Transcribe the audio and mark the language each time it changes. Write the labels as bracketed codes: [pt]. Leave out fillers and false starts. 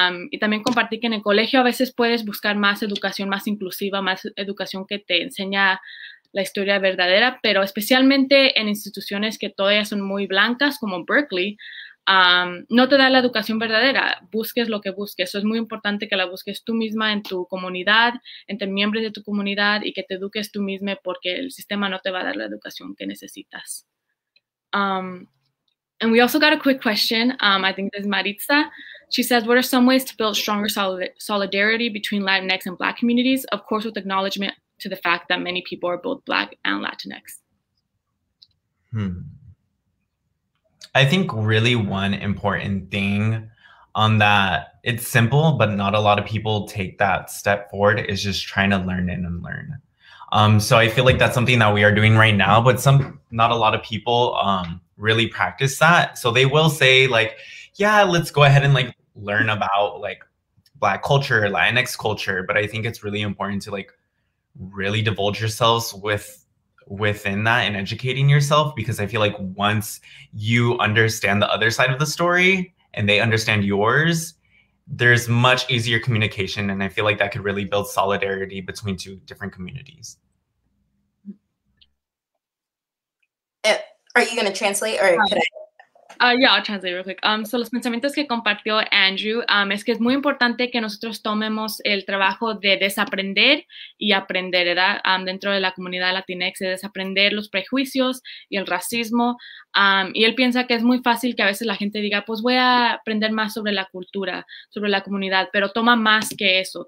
[es] Y también compartí que en el colegio a veces puedes buscar más educación, más inclusiva, más educación que te enseña la historia verdadera, pero especialmente en instituciones que todavía son muy blancas, como Berkeley, no te da la educación verdadera. Busques lo que busques. Eso es muy importante, que la busques tú misma en tu comunidad, entre miembros de tu comunidad, y que te eduques tú misma, porque el sistema no te va a dar la educación que necesitas. [en] And we also got a quick question. I think this is Maritza. She says, what are some ways to build stronger solidarity between Latinx and Black communities? Of course, with acknowledgement to the fact that many people are both Black and Latinx. I think really one important thing on that, it's simple, but not a lot of people take that step forward, is just trying to learn in and learn. So I feel like that's something that we are doing right now, but not a lot of people really practice that. So they will say like, yeah, let's go ahead and like learn about like Black culture, Latinx culture. But I think it's really important to like really divulge yourselves within that and educating yourself, because I feel like once you understand the other side of the story and they understand yours, there's much easier communication. And I feel like that could really build solidarity between two different communities. Are you going to translate or could I? Yeah, I'll translate real quick. [es] So los pensamientos que compartió Andrew, es que es muy importante que nosotros tomemos el trabajo de desaprender y aprender, ¿verdad? Dentro de la comunidad Latinx, de desaprender los prejuicios y el racismo. Y él piensa que es muy fácil que a veces la gente diga, pues voy a aprender más sobre la cultura, sobre la comunidad, pero toma más que eso.